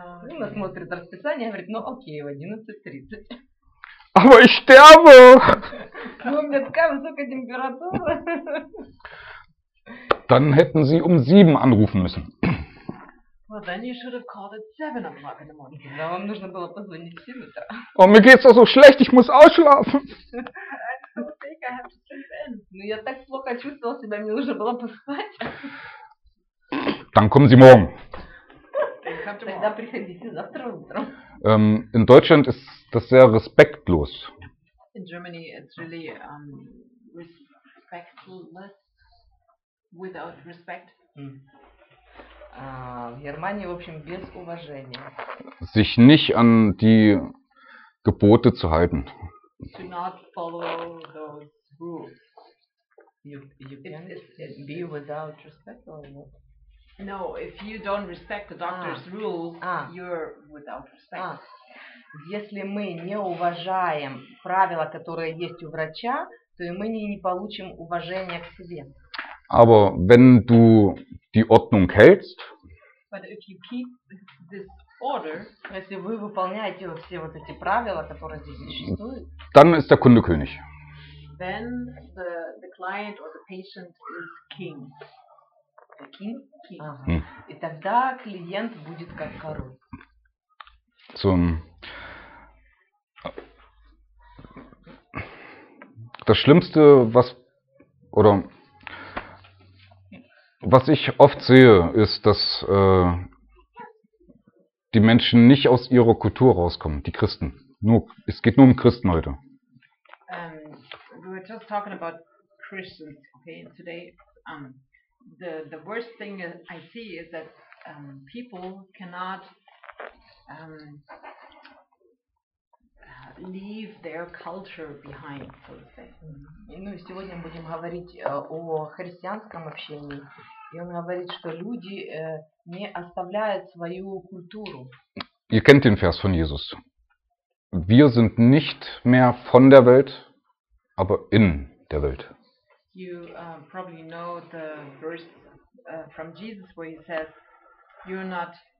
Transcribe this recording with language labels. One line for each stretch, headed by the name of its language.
Russian: Он смотрит расписание, говорит, ну окей, в 11:30.
German: Aber ich sterbe!
Russian: Ну, у меня такая высокая температура.
German: Dann hätten sie um 7 anrufen müssen.
English: Well, then you should have called at 7 o'clock in the morning.
Russian: Да, вам нужно было позвонить в 7 утра.
German: Oh, mir geht's doch so schlecht, ich muss ausschlafen.
English: I don't think I have to sleep in.
Russian: Ну, я так плохо чувствовал себя, мне нужно было поспать.
German: Dann kommen Sie morgen.
Russian: Тогда приходите завтра утром.
German: In Deutschland ist das sehr respektlos.
English: In Germany it's really respectless without respect. Mm.
Russian: В Германии, в общем, без уважения.
German: Sich nicht an die Gebote zu halten.
English: To not follow those rules. You can be without respect or what? No, if you don't respect the doctor's rules, you're without respect.
Russian: Если мы не уважаем правила, которые есть у врача, то и мы не получим уважения к себе.
German: Aber wenn du die Ordnung hältst,
English: but if you keep this order,
Russian: если вы выполняете все вот эти правила, которые здесь существуют,
German: dann ist der Kunde König.
English: Then the client or the patient is king. The king? King. Ага.
Russian: И тогда клиент будет как король.
German: So, das Schlimmste, was... Oder... Was ich oft sehe, ist, dass die Menschen nicht aus ihrer Kultur rauskommen, die Christen. Nur, es geht nur um Christen heute.
English: We were just talking about Christians, okay, today. The worst thing I see is that people cannot leave their culture behind, so to say.
Russian: Ну, сегодня будем говорить о христианском общении. И он говорит, что люди не оставляют свою культуру.
German: Ihr kennt den Vers von Jesus. Wir sind nicht mehr von der Welt, aber in der Welt.
English: You probably know the verse from Jesus where he says, you're not